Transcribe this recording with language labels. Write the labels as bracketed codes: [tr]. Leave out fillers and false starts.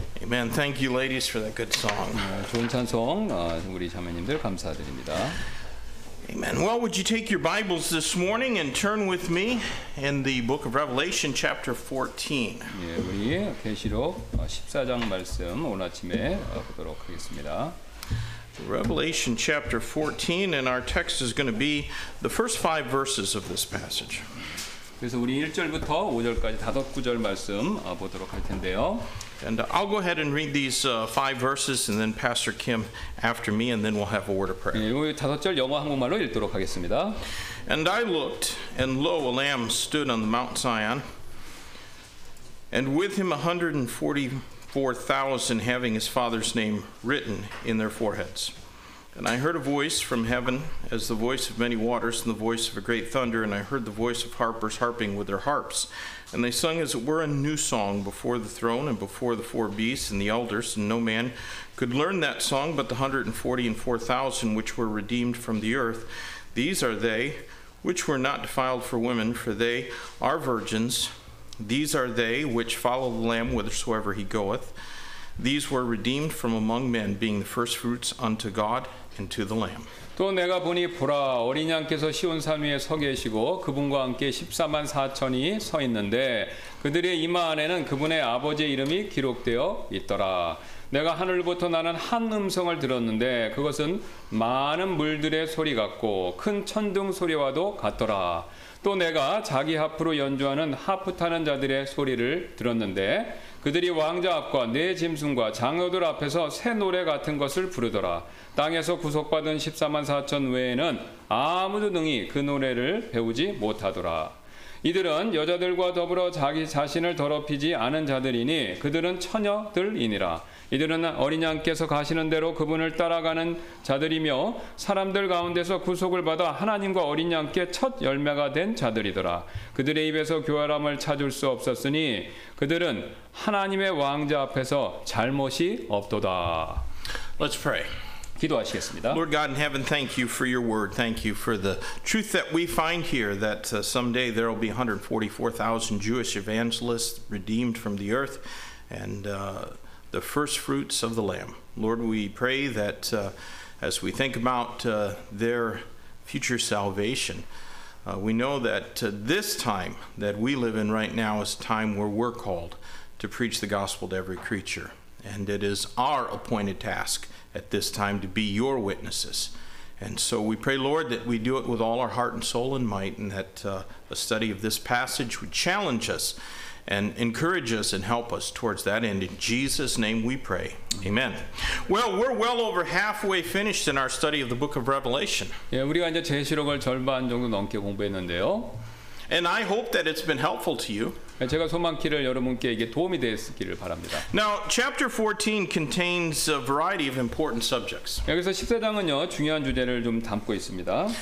[en] And thank you, ladies, for that good song. [ko] 좋은 찬송, 우리 자매님들 감사드립니다. [en] Amen. Well, would you take your Bibles this morning and turn with me in the book of Revelation, chapter 14. [ko] 예, 우리 계시록 14장 말씀 오늘 아침에 보도록 하겠습니다. [en] Revelation chapter 14, and our text is going to be the first five verses of this passage. [ko] 그래서 우리 1절부터 5절까지 다섯 구절 말씀 보도록 할 텐데요. [en] And I'll go ahead and read these five verses, and then Pastor Kim after me, and then we'll have a word of prayer. [ko] 네, 다섯 절 영어 한국말로 읽도록 하겠습니다. [en] And I looked, and lo, a lamb stood on the Mount Zion, and with him 144,000 having his father's name written in their foreheads. And I heard a voice from heaven, as the voice of many waters, and the voice of a great thunder, and I heard the voice of harpers harping with their harps. And they sung as it were a new song before the throne and before the four beasts and the elders, and no man could learn that song but the 144,000 which were redeemed from the earth. These are they which were not defiled for women, for they are virgins. These are they which follow the Lamb whithersoever he goeth. These were redeemed from among men, being the first fruits unto God and to the Lamb. [ko] 또 내가 보니 보라 어린 양께서 시온 산 위에 서 계시고 그분과 함께 14만 4천이 서 있는데 그들의 이마 안에는 그분의 아버지의 이름이 기록되어 있더라. 내가 하늘부터 나는 한 음성을 들었는데 그것은 많은 물들의 소리 같고 큰 천둥 소리와도 같더라. 또 내가 자기 하프로 연주하는 하프 타는 자들의 소리를 들었는데 그들이 왕좌 앞과 네 짐승과 장로들 앞에서 새 노래 같은 것을 부르더라. 땅에서 구속받은 14만 4천 외에는 아무도 능히 그 노래를 배우지 못하더라. 이들은 여자들과 더불어 자기 자신을 더럽히지 않은 자들이니 그들은 처녀들이니라. 이들은 어린 양께서 가시는 대로 그분을 따라가는 자들이며 사람들 가운데서 구속을 받아 하나님과 어린 양께 첫 열매가 된 자들이더라. 그들의 입에서 교활함을 찾을 수 없었으니 그들은 하나님의 왕좌 앞에서 잘못이 없도다. [en] Let's pray. [ko] 기도하시겠습니다. [en] Lord God in heaven, thank you for your word. Thank you for the truth that we find here that someday there will be 144,000 Jewish evangelists redeemed from the earth and the first fruits of the Lamb. Lord, we pray that as we think about their future salvation, we know that this time that we live in right now is a time where we're called to preach the gospel to every creature. And it is our appointed task at this time to be your witnesses. And so we pray, Lord, that we do it with all our heart and soul and might, and that a study of this passage would challenge us and encourage us and help us towards that end. In Jesus' name we pray. Amen. Well, we're well over halfway finished in our study of the book of Revelation. [ko] 예, 우리가 이제 계시록을 절반 정도 넘게 공부했는데요. [en] And I hope that it's been helpful to you. [ko] 제가 소망키를 여러분께 이게 도움이 되었기를 바랍니다. [en] Now, chapter 14 contains a variety of important subjects. [ko] 여기서 14장은요, 중요한 주제를 좀 담고 있습니다.